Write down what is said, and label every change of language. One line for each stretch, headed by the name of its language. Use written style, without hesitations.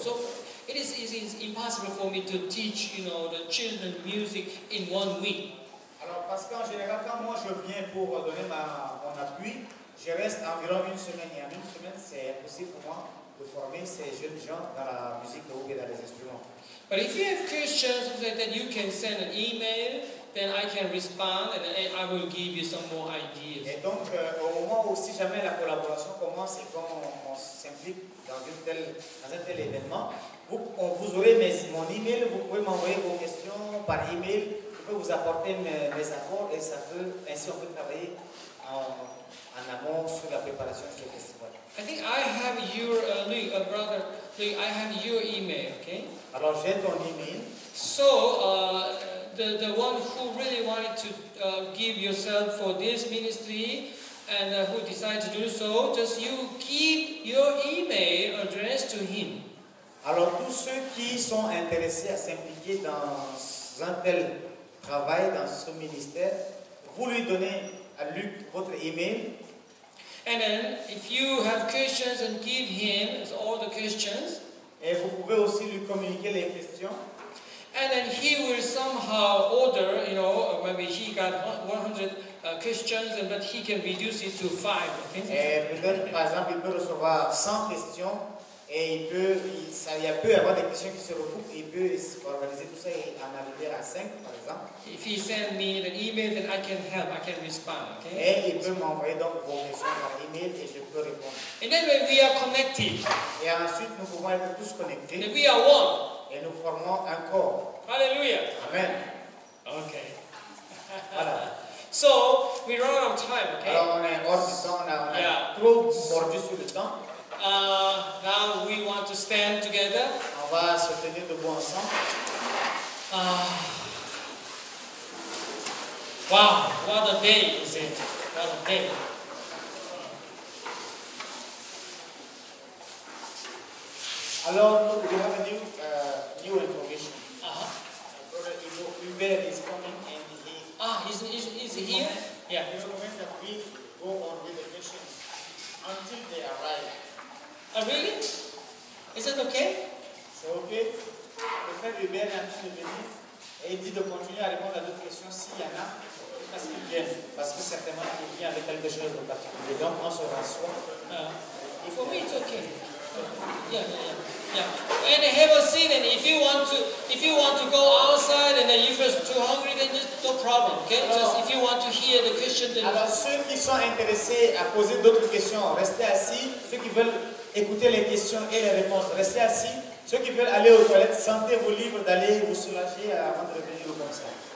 English: So it is impossible for me to teach, you know, the children music in 1 week.
French: Alors parce qu'en général, quand moi je viens pour donner mon appui, je reste environ une semaine. Et en une semaine, c'est impossible pour moi de former ces jeunes gens dans la musique de hautbois et dans les instruments.
English: But if you have questions, then you can send an email, then I can respond, and I will give you some more ideas.
French: Et donc, au moment où si jamais la collaboration commence et qu'on s'implique dans un tel événement, vous aurez mon email, vous pouvez m'envoyer vos questions par email, je peux vous apporter mes apports, et ça peut, ainsi on peut travailler en amont sur la préparation de ce festival.
English: I think I have your, brother, Luke, I have your email, okay?
French: Alors j'ai ton email.
English: So the one who really wanted to give yourself for this ministry and who decided to do so, just you give your email address to him.
French: Alors tous ceux qui sont intéressés à s'impliquer dans un tel travail, dans ce ministère, vous lui donnez à Luc votre email.
English: And then if you have questions and give him all the questions.
French: Et vous pouvez aussi lui communiquer les questions.
English: And then he will somehow order, you know, maybe he got 100 questions, but he can reduce it to 5.
French: Et peut-être, par exemple, il peut recevoir 100 questions, et il peut avoir des questions qui se recoupent, il peut organiser tout ça et en arriver à 5, par exemple.
English: If he send me an email, then I can help, I can respond. Okay?
French: Et il peut m'envoyer donc vos questions par email et je peux répondre.
English: And then when we are connected.
French: Et ensuite, nous pouvons être tous connectés.
English: And we are one.
French: Et nous formons un corps. Hallelujah. Amen.
English: Okay.
French: Voilà.
English: So, we run out of time, okay?
French: Alors, on est hors du temps, trop mordu sur le temps.
English: Now we want to stand together.
French: On va se tenir debout ensemble.
English: Wow, what a day is it? What a day. Alors, we have a new information. Uh-huh. Brother Hubert is coming and he... Ah, he's here? Moment, yeah. In the moment that we go on with the missions until they arrive. Oh, really? Is that okay? So okay.
French: Le frère Hubert est en train de venir et il dit de continuer à répondre à d'autres questions s'il y en a, parce qu'il vient. Parce que certainement il vient avec quelque chose en particulier. Donc on se rassoit.
English: For me, it's okay. Yeah. And have a seat, and if you want to go outside and then you feel too hungry, then just no problem, okay?
French: Alors,
English: just if you want to hear the question, then...
French: Alors, ceux qui sont intéressés à poser d'autres questions, restez assis. Ceux qui veulent écouter les questions et les réponses, restez assis. Ceux qui veulent aller aux toilettes, sentez-vous libre d'aller vous soulager avant de revenir au conseil.